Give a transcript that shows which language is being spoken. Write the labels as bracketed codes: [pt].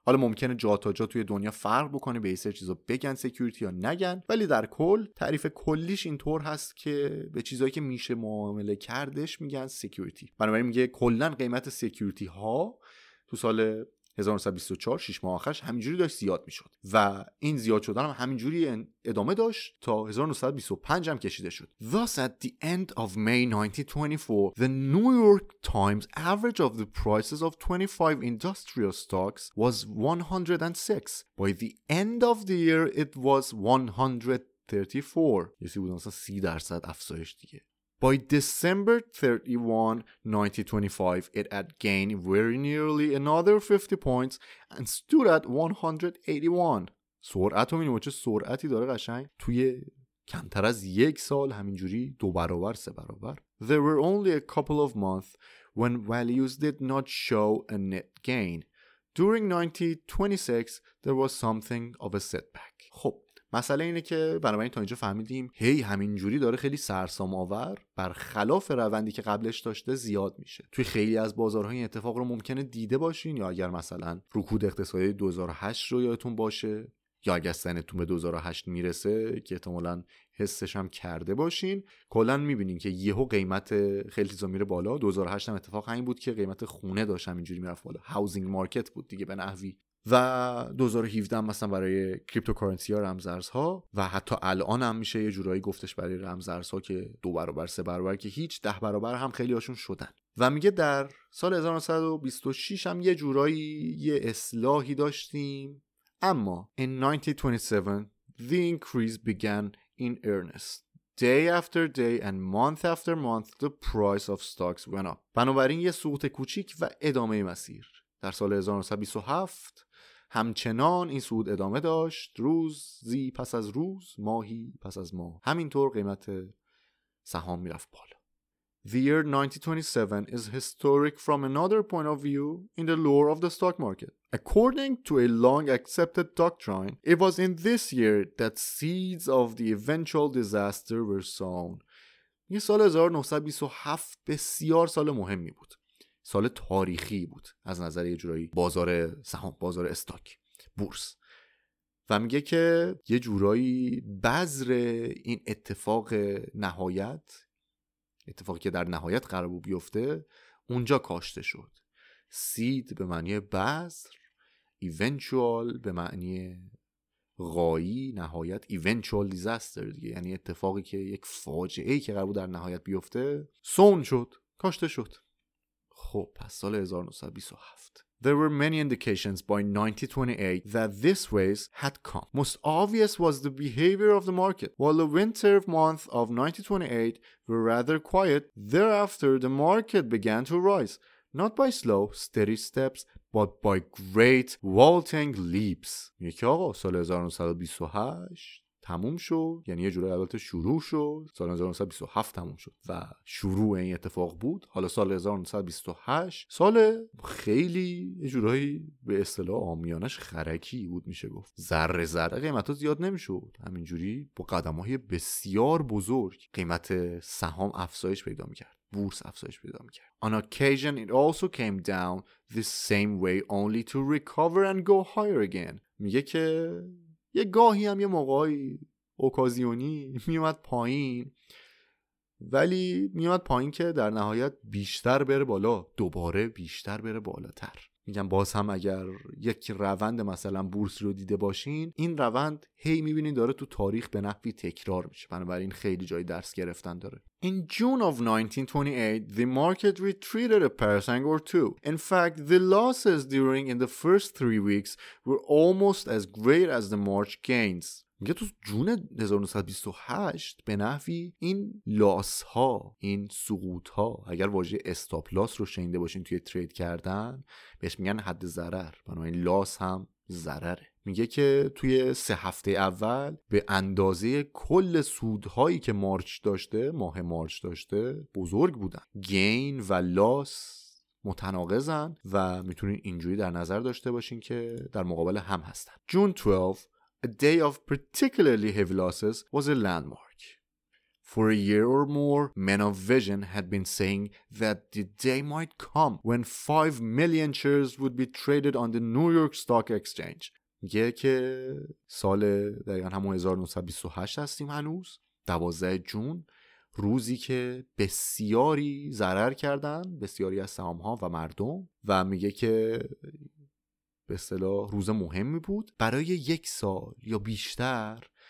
[fa] حالا ممکنه جا تا جا توی دنیا فرق بکنه، به یه سر چیزا بگن سیکیوریتی یا نگن، ولی در کل تعریف کلیش اینطور هست که به چیزایی که میشه معامله کردش میگن سیکیوریتی. بنابراین میگه کلن قیمت سیکیوریتی ها تو سال 1924 6 ماه آخرش همینجوری داشت زیاد میشد و این زیاد شدن هم همینجوری ادامه داشت تا 1925 هم کشیده شد. [en] Thus at the end of May 1924 the New York Times average of the prices of 25 industrial stocks was 106. By the end of the year it was 134. [fa] یعنی بودن 30 درصد افزایش دیگه. [en] By December 31, 1925, it had gained very nearly another 50 points and stood at 181. [fa] سرعت رو میبینیم چه سرعتی داره قشنگ. توی کمتر از یک سال همینجوری دو برابر سه برابر. [en] There were only a couple of months when values did not show a net gain. During 1926, there was something of a setback. [fa] خب. مسئله اینه که بنابراین تا اینجا فهمیدیم هی همینجوری داره خیلی سرسام آور برخلاف روندی که قبلش داشته زیاد میشه. توی خیلی از بازارها این اتفاق رو ممکنه دیده باشین، یا اگر مثلا رکود اقتصادی 2008 رو یادتون باشه، یا اگر سنتون به 2008 میرسه که احتمالاً حسش هم کرده باشین، کلاً میبینین که یهو قیمت خیلی چیزا میره بالا. 2008 هم اتفاق همین بود که قیمت خونه داشت همینجوری میرفت بالا، [en] housing market [fa] بود دیگه به نحوی. و 2017 مثلا برای کریپتوکارنسی ها، رمزارز ها، و حتی الان هم میشه یه جورایی گفتش برای رمزارز ها که دو برابر سه برابر که هیچ، ده برابر هم خیلی هاشون شدن. و میگه در سال 1926 هم یه جورایی یه اصلاحی داشتیم، اما [en] In 1927 the increase began in earnest. Day after day and month after month the price of stocks went up. [fa] بنابراین یه سقوط کوچیک و ادامه مسیر در سال 1927 همچنان این صعود ادامه داشت، روزی پس از روز، ماهی پس از ماه، همینطور قیمت سهام میرفت بالا. [en] The year 1927 is historic from another point of view in the lore of the stock market. According to a long accepted doctrine, it was in this year that seeds of the eventual disaster were sown. [fa] یه سال 1927 بسیار سال مهمی بود، سال تاریخی بود از نظر یه جورایی بازار سهام، بازار استاک، بورس. و میگه که یه جورایی بذر این اتفاق نهایت، اتفاقی که در نهایت قرار بود بیفته، اونجا کاشته شد. سید به معنی بذر، ایونچوال به معنی غایی، نهایت، [en] eventual disaster [fa] دیگه، یعنی اتفاقی که یک فاجعه ای که قرار بود در نهایت بیفته، سون شد، کاشته شد. خب پس سال 1927 [en] There were many indications by 1928 that this wave had come. Most obvious was the behavior of the market. While the winter month of 1928 were rather quiet, thereafter the market began to rise, not by slow, steady steps, but by great vaulting leaps. [fa] یکی آقا سال 1928 تموم شد، یعنی یه جوره البته شروع شد، سال 1927 تموم شد و شروع این اتفاق بود. حالا سال 1928 سال خیلی یه جورایی به اصطلاح عامیانش خرکی بود، میشه گفت ذره ذره قیمت ها زیاد نمیشد، همینجوری با قدم های بسیار بزرگ قیمت سهام افزایش پیدا میکرد، بورس افزایش پیدا میکرد. [en] On occasion it also came down the same way only to recover and go higher again. [fa] میگه که یه گاهی هم یه موقعی اوکازیونی میومد پایین، ولی میومد پایین که در نهایت بیشتر بره بالا، دوباره بیشتر بره بالاتر. میگم باز هم اگر یک روند مثلا بورس رو دیده باشین، این روند هی میبینین داره تو تاریخ به نحوی تکرار میشه، بنابراین خیلی جای درس گرفتن داره. [en] In June of 1928, the market retreated a percent or two. In fact, the losses during in the first 3 weeks were almost as great as the March gains. [fa] میگه تو جون 1928 به نحوی این لاس ها، این سقوط ها، اگر واژه استاپ لاس رو شنیده باشین توی ترید کردن بهش میگن حد ضرر، بنابراین لاس هم ضرره. میگه که توی 3 هفته اول به اندازه کل سودهایی که مارچ داشته، ماه مارچ داشته، بزرگ بودن. گین و لاس متناقضن و میتونین اینجوری در نظر داشته باشین که در مقابل هم هستن. [en] June 12، a day of particularly heavy losses, was a landmark. For a year or more, men of vision had been saying that the day might come when 5 million shares would be traded on the New York Stock Exchange. [fa] میگه که سال دقیقا همون 1928 هستیم هنوز، 12 جون، روزی که بسیاری ضرر کردن بسیاری از سهام ها و مردم، و میگه که به اصطلاح روز مهمی بود برای یک سال یا بیشتر.